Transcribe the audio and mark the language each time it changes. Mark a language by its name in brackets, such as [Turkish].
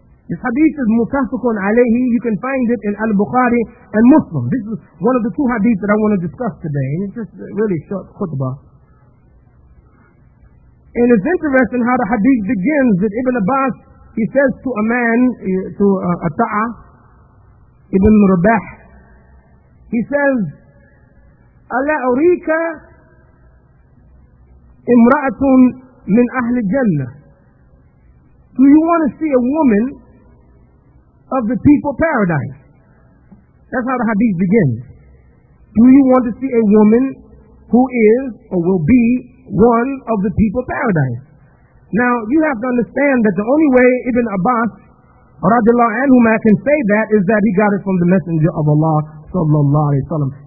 [English] This hadith is mutafakun alayhi. You can find it in Al-Bukhari and Muslim. This is one of the two hadiths that I want to discuss today. And it's just a really short khutbah. And it's interesting how the hadith begins with Ibn Abbas. He says to a man, to a ta'a, Ibn Rabah. He says, [Arabic] أَلَا أُرِيكَ إِمْرَأَةٌ مِنْ أَهْلِ الْجَنَّةِ. [English] Do you want to see a woman of the people of paradise? That's how the hadith begins. Do you want to see a woman who is or will be one of the people of paradise? Now, you have to understand that the only way Ibn Abbas radiallahu anhu can say that is that he got it from the Messenger of Allah sallallahu alayhi wa sallam.